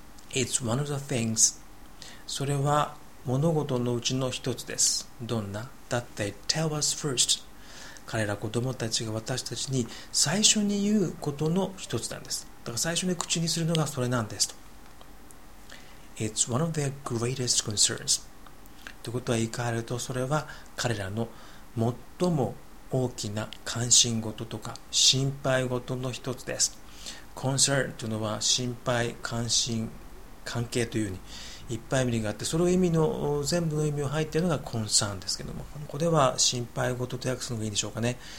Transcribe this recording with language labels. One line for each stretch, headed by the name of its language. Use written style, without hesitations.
English: it's one of the things、
Japanese: それは物事のうちの一つです。どんな、
English: that they tell us first、
Japanese: 彼ら子供たちが私たちに最初に言うことの一つなんです。だから最初に口にするのがそれなんですと。
English: It's one of their greatest concerns.
Japanese: ということは言い換えると、それは彼らの最も大きな関心事とか心配事の一つです。 Concern というのは心配、関心、関係というようにいっぱい意味があって、その意味の全部の意味を入っているのが concern ですけども、ここでは心配事と訳すのがいいでしょうかね。